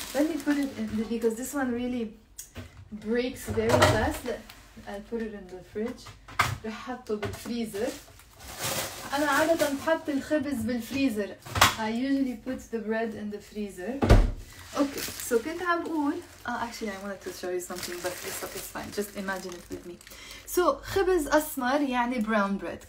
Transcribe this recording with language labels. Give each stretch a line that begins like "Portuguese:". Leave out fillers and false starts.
English: Let me put it in the, because this one really breaks very fast. I'll put it in the fridge.
Arabic: رح حطه بالفريزر. أنا عادة بحط الخبز بالفريزر.
English: I usually put the bread in the freezer.
Arabic: Okay, so كنت عم بقول.
English: Actually, I wanted to show you something, but it's fine. Just imagine it with me.
Arabic: So خبز أسمر يعني
English: brown bread.